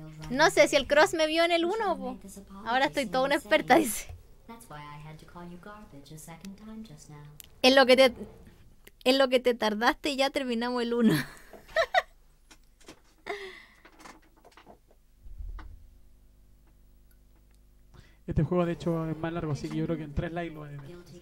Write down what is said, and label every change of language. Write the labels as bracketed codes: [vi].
[es] No sé si el Cross me vio en el 1 o ahora estoy toda una experta, dice. [en] That's why I had to call you garbage a second time just now. [es] En lo que te tardaste, ya terminamos el uno. Este juego de hecho es más largo, así que yo creo que en 3 likes lo voy a tener.